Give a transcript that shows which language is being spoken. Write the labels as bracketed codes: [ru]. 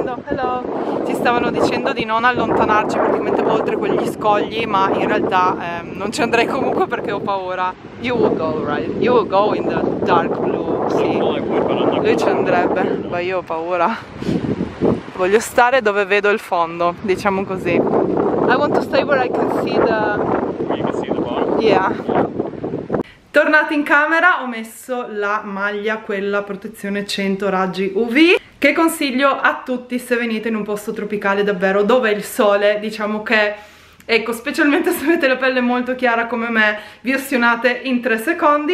[it] No, ci stavano dicendo di non allontanarci praticamente oltre quegli scogli, ma in realtà non ci andrei comunque perché ho paura. [en] You will go, right? You will go in the dark blue, sì. [it] Lui ci andrebbe, ma io ho paura. Voglio stare dove vedo il fondo, diciamo così. [en] I want to stay where I can see the... You can see the bottom? Yeah. [it] Tornati in camera, ho messo la maglia, quella protezione 100 raggi UV, che consiglio a tutti se venite in un posto tropicale davvero dove il sole, diciamo che, ecco, specialmente se avete la pelle molto chiara come me, vi ossionate in 3 secondi.